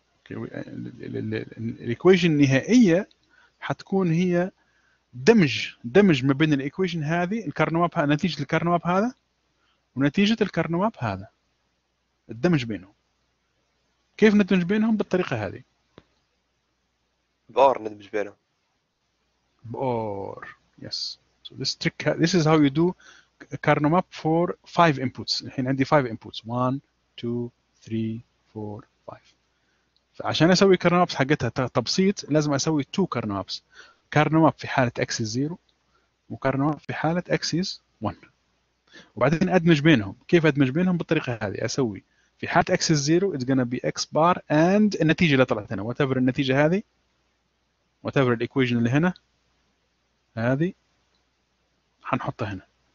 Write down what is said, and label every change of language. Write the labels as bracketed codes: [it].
[ar] الإكويشن النهائية حتكون هي دمج ما بين الإكويشن هذه الكارنواب، نتيجة الكارنواب هذا ونتيجة الكارنواب هذا، الدمج بينهم. كيف ندمج بينهم؟ بالطريقة هذه، بأور ندمج بينهم بأور. [en] yes so this trick this is how you do Karnaugh map for five inputs. [ar] الحين عندي five inputs 1 2 3 4 5، فعشان اسوي كارنوابس حقتها تبسيط لازم اسوي تو كارنوابس، كارنواب في حاله اكس از 0 وكارنواب في حاله اكس از 1، وبعدين ادمج بينهم. كيف ادمج بينهم؟ بالطريقه هذه، اسوي في حاله اكس از 0 [en] it's gonna be X bar and [ar] النتيجه اللي طلعت هنا، [en] whatever [ar] النتيجه هذه، وات ايفر الايكويشن اللي هنا هذه هنحطها هنا،